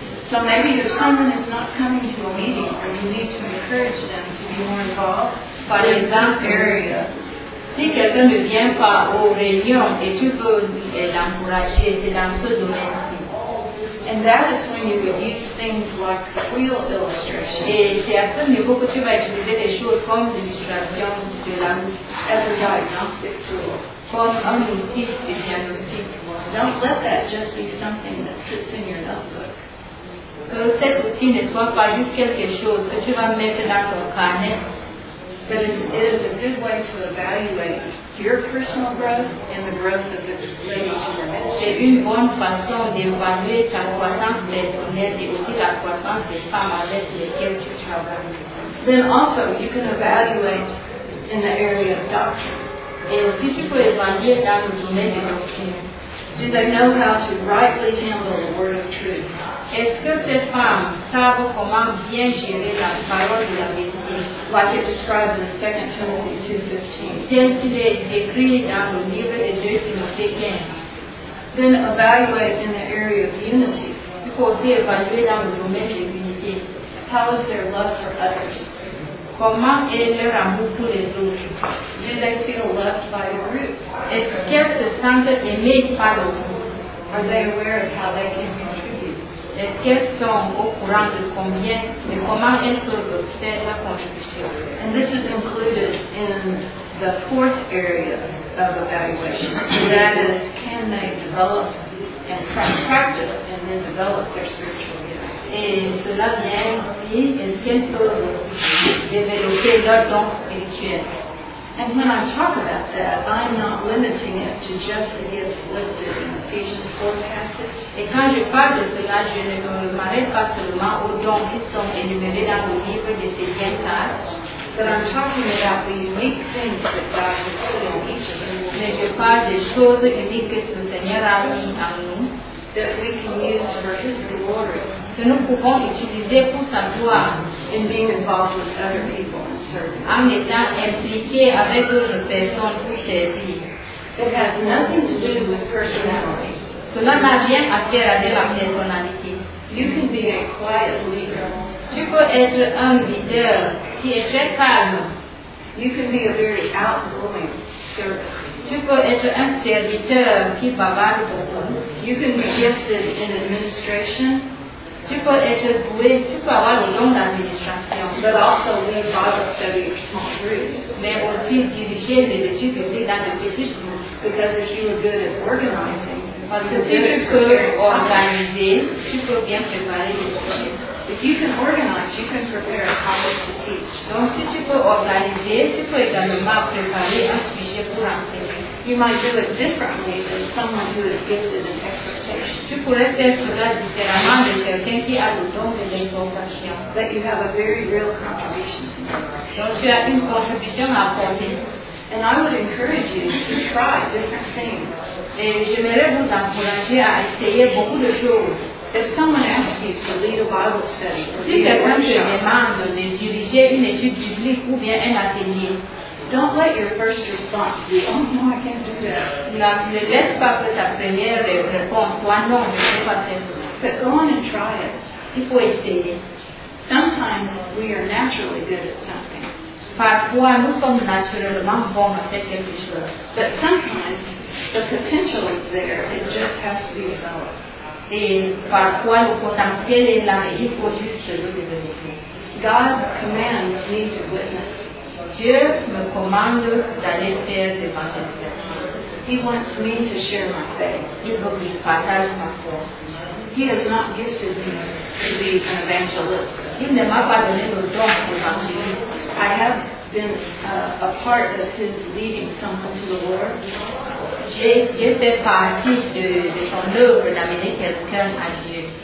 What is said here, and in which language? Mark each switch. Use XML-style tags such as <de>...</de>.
<en>So maybe if someone is not coming to a meeting, or you need to encourage them to be more involved.</en> <fr>Par exemple,</fr> <en>area.</en> <fr>Si quelqu'un ne vient pas aux réunions et tu veux l'encourager, c'est dans ce domaine-ci.</fr> <en>And that is when you would use things like wheel illustration.</en> <fr>Et c'est à ce niveau que tu vas utiliser des choses comme l'illustration de la route.</fr> <en>As a diagnostic tool.</en> <fr>Comme un outil de diagnostic.</fr> <en>Don't let that just be something that sits in your notebook.</en> <fr>Que cet outil ne soit pas juste quelque chose que tu vas mettre dans ton carnet.</fr> <en>But it is a good way to evaluate your personal growth and the growth of the ladies in the ministry.</en> <fr>C'est une bonne façon d'évaluer ta croissance personnelle et aussi la croissance des femmes avec lesquelles tu travailles.</fr> <en>Then also you can evaluate in the area of doctrine.</en> <fr>Et aussi tu peux évaluer dans le domaine de doctrine.</fr> <en>Do they know how to rightly handle the word of truth?</en> <fr>Est-ce que ces femmes savent comment bien gérer la parole de la vérité?</fr> <en>Like it describes in 2 Timothy 2:15.</en> <fr>Tel qu'il est écrit dans le livre de 2 Timothée 15.</fr> <en>Then evaluate in the area of unity.</en> <fr>Il faut aussi évaluer dans le domaine de l'unité.</fr> <en>How is their love for others?</en> <fr>Comment est leur amour pour les autres?</fr> <en>Do they feel loved by the group?</en> <fr>Est-ce qu'elles se sentent aimées par le groupe?</fr> <en>Are they aware of how they can contribute?</en> <fr>Est-ce qu'elles sont au courant de combien et comment elles peuvent faire leur contribution?</fr> <en>And this is included in the fourth area of evaluation. That is, can they develop and practice and then develop their spiritual gifts?</en> <fr>Et cela vient aussi, elles viennent pour développer leur don spirituel.</fr> <en>And when I talk about that, I'm not limiting it to just the gifts listed in Ephesians 4 passage.</en> <fr>Et quand je parle de cela, je ne m'arrête pas seulement aux dons qui sont énumérés dans le livre des Ephésiens 4.</fr> <en>But I'm talking about the unique things that God has put on each of us.</en> <fr>Mais je parle des choses uniques que le Seigneur a mis en nous.</fr> <en>That we can use for His glory.</en> <fr>Que nous pouvons utiliser pour sa gloire.</fr> <en>In being involved with other people and serving.</en> <fr>En étant impliqué avec d'autres personnes pour servir.</fr> <en>It has nothing to do with personality.</en> <fr>Cela n'a rien à faire avec la personnalité.</fr> <en>You can be a quiet leader.</en> <fr>Tu peux être un leader qui est très calme.</fr> <en>You can be a very outgoing servant.</en> <fr>Tu peux être un serviteur qui bavarde beaucoup.</fr> <en>You can be gifted in administration.</en> <fr>Tu peux être doué, tu peux avoir le don d'administration.</fr> <en>But also lead Bible study in small groups.</en> <fr>Mais aussi diriger les études publiques dans des petits groupes.</fr> <en>Because if you are good at organizing,</en> <fr>parce que si tu peux organiser, tu peux bien préparer les choses.</fr> <en>If you can organize, you can prepare a topic to teach.</en> <fr>Donc, si tu peux organiser, tu peux également préparer un sujet pour enseigner.</fr> <en>You might do it differently than someone who is gifted in exhortation.</en> <fr>Tu pourrais faire cela différemment de quelqu'un qui a le don de l'exhortation.</fr> <en>But you have a very real contribution to make.</en> <fr>Donc, tu as une contribution à apporter.</fr> <en>And I would encourage you to try different things.</en> <fr>Et j'aimerais vous encourager à essayer beaucoup de choses.</fr> <en>If someone asks you to lead a Bible study,</en> <fr>si quelqu'un te demande de diriger une étude biblique ou bien un atelier,</fr> <en>don't let your first response be, oh no, I can't do that.</en> <fr>Ne laisse pas que ta première réponse soit non, je ne peux pas faire cela.</fr> <en>But go on and try it.</en> <fr>Il faut essayer.</fr> <en>Sometimes we are naturally good at something.</en> <fr>Parfois, nous sommes naturellement bons à faire quelque chose.</fr> <en>But sometimes the potential is there. It just has to be developed.</en> <fr>Et parfois le potentiel est là, mais il faut juste le développer.</fr> <en>God commands me to witness.</en> <fr>Dieu me commande d'aller faire des manifestations.</fr> <en>He wants me to share my faith.</en> <fr>Il veut que je partage ma foi.</fr> <en>He has not gifted me to be an evangelist.</en> <fr>Il ne m'a pas donné le don d'évangéliste.</fr> <en>I have been a part of his leading someone to the Lord.</en> <fr>J'ai fait partie de son œuvre d'amener quelqu'un à Dieu.</fr>